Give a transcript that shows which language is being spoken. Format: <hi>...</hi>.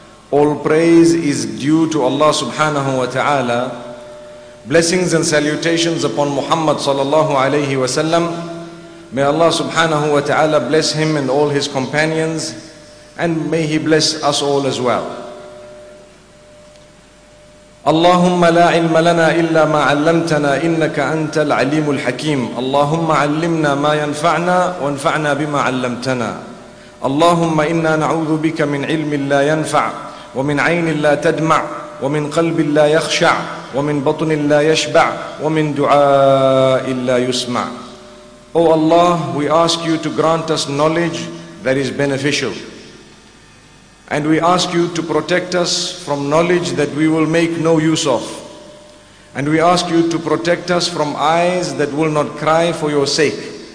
<en>All praise is due to Allah subhanahu wa ta'ala. Blessings and salutations upon Muhammad sallallahu alayhi wa sallam. May Allah subhanahu wa ta'ala bless him and all his companions, and may he bless us all as well.</en> <ar>اللهم لا علم لنا إلا ما علمتنا إنك أنت العليم الحكيم اللهم علمنا ما ينفعنا وانفعنا بما علمتنا اللهم إنا نعوذ بك من علم لا ينفع ومن عين لا تدمع ومن قلب لا يخشع ومن بطن لا يشبع ومن دعاء لا يسمع.</ar> <en>O Allah, we ask you to grant us knowledge that is beneficial. And we ask you to protect us from knowledge that we will make no use of. And we ask you to protect us from eyes that will not cry for your sake.</en>